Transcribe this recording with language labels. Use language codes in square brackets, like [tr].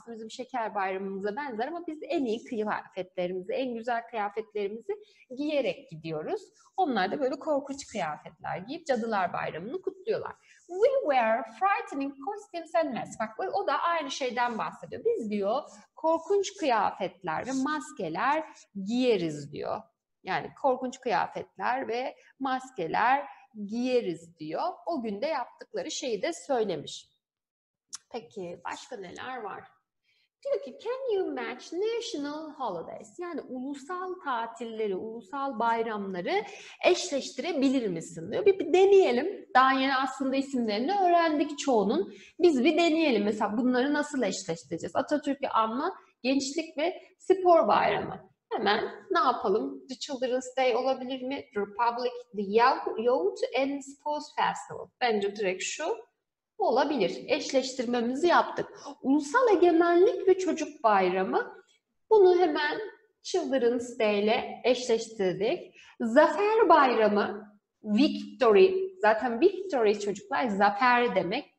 [tr] Aslında bizim şeker bayramımıza benzer ama biz en iyi kıyafetlerimizi, en güzel kıyafetlerimizi giyerek gidiyoruz. Onlar da böyle korkunç kıyafetler giyip Cadılar Bayramı'nı kutluyorlar. [en] We wear frightening costumes and masks. [tr] Bak o da aynı şeyden bahsediyor. Biz diyor korkunç kıyafetler ve maskeler giyeriz diyor. Yani korkunç kıyafetler ve maskeler giyeriz diyor. O günde yaptıkları şeyi de söylemiş. Peki başka neler var? Diyor ki, [en] can you match national holidays? [tr] Yani ulusal tatilleri, ulusal bayramları eşleştirebilir misin diyor. Bir deneyelim. Daha yeni aslında isimlerini öğrendik çoğunun. Biz bir deneyelim. Mesela bunları nasıl eşleştireceğiz? Atatürk'ü anma, gençlik ve spor bayramı. Hemen ne yapalım? The Children's Day olabilir mi? [en] Republic, the Youth and Sports Festival. [tr] Bence direkt şu olabilir. Eşleştirmemizi yaptık. Ulusal Egemenlik ve Çocuk Bayramı. Bunu hemen Children's Day ile eşleştirdik. Zafer Bayramı. Victory. Zaten Victory çocuklar zafer demek.